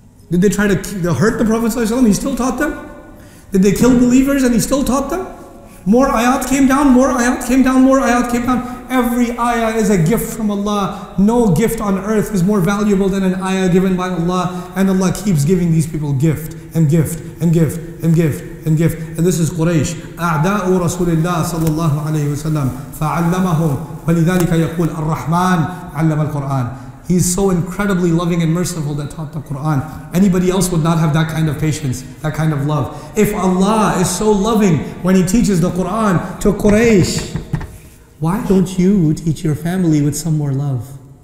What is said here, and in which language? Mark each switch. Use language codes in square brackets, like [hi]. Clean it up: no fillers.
[en] Did they try to hurt the Prophet ﷺ? He still taught them? Did they kill believers and he still taught them? More ayat came down. Every ayah is a gift from Allah. No gift on earth is more valuable than an ayah given by Allah. And Allah keeps giving these people gift and gift and gift and gift. And gift, and this is Quraysh. [ar] أعداؤ رسول الله صلى الله عليه وسلم فعلمهم ولذلك يقول الرحمن علم القرآن. [en] He's so incredibly loving and merciful that taught the Quran. Anybody else would not have that kind of patience, that kind of love. If Allah is so loving when He teaches the Quran to Quraysh, why don't you teach your family with some more love?